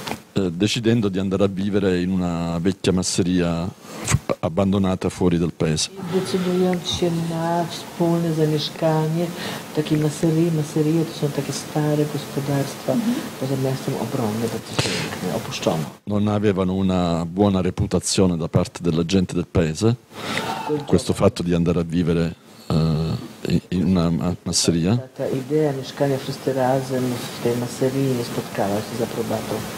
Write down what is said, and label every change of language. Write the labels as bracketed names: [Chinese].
[Italian] Decidendo di andare a vivere in una vecchia masseria abbandonata fuori dal paese. [Polish] Decidendoci na wspólne zamieszkanie w takiej masserii. Masserie to są takie stare gospodarstwa poza miastem obronne, bardzo piękne, opuszczone. [Italian] Non avevano una buona reputazione da parte della gente del paese, questo fatto di andare a vivere in una masseria. [Polish] Ta idea mieszkania wszyscy razem w tej masserii nie spotkała się z aprobatą.